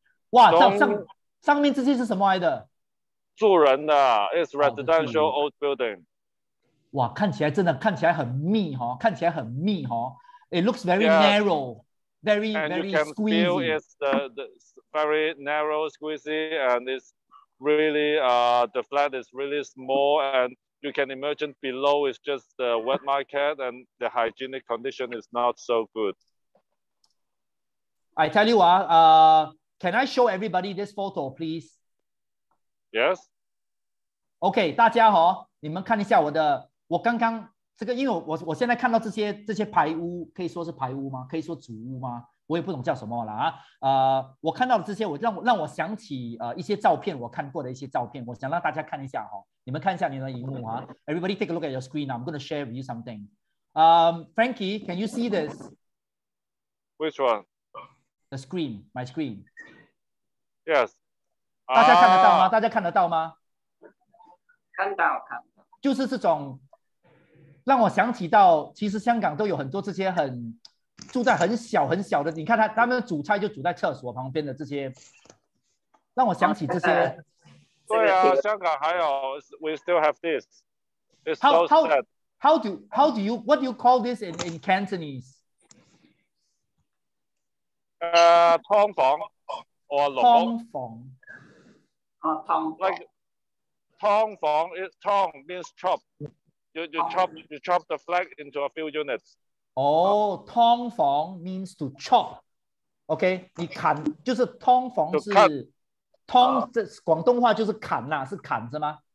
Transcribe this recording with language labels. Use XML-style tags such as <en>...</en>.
<zh>哇，上面这些是什么来的？住人的 ，</zh> <en>It's residential old building.</en> <zh>哇，看起来很密哈，看起来很密哈。</zh> <en>It looks very narrow, very very squeezy. And you can feel it's the very narrow, squeezy, and it's really the flat is really small and. You can imagine below is just the wet market and the hygienic condition is not so good. I tell you can I show everybody this photo, please? Yes.</en> <zh>Okay, 大家哦，你们看一下我的，我刚刚这个，因为我现在看到这些排屋，可以说是排屋吗？可以说主屋吗？我也不懂叫什么了啊。我看到的这些，让我想起一些照片，我看过的一些照片，我想让大家看一下哦。你们看一下你的荧幕啊。</zh> <en>Everybody take a look at your screen. I'm going to share with you something. Frankie, can you see this? Which one? The screen, my screen. Yes.</en> <zh>大家看得到吗？大家看得到吗？看到。就是这种，让我想起到，其实香港都有很多这些很。住在很小很小的，你看他们煮菜就煮在厕所旁边的这些，让我想起这些。对啊，香港还有</zh> <en>，we still have this. It's so sad. How do you what do you call this in Cantonese?</en> <zh>劏房 or 楼。劏房。劏。</zh> <en>Like 劏房 is 劏 means chop. You chop the flat into a few units. 劏房 means to chop.</en> <zh>Okay, 你砍就是劏房是劏，这广东话就是砍啦，是砍是吗？</zh>